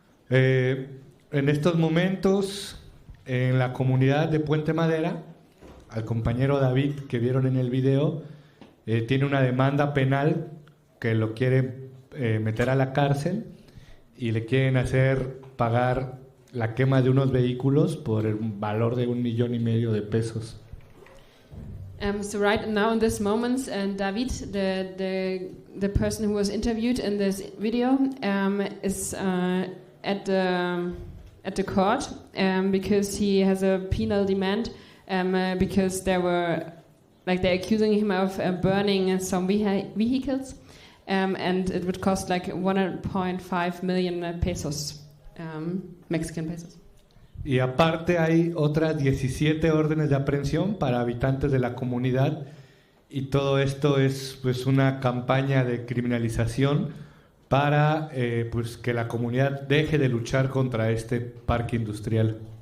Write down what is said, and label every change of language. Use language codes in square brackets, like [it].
[es] En estos momentos, en la comunidad de Puente Madera, al compañero David que vieron en el video, tiene una demanda penal que lo quiere meter a la cárcel y le quieren hacer pagar la quema de unos vehículos por el valor de 1,5 millones de pesos. [en] So right now in this moment, and David, the person who was interviewed in this video, is at the court because he has a penal demand because there were like they're accusing him of burning some vehicles and it would cost like 1.5 million pesos, Mexican pesos. [es] Y aparte hay otras 17 órdenes de aprehensión para habitantes de la comunidad y todo esto es pues una campaña de criminalización para pues que la comunidad deje de luchar contra este parque industrial.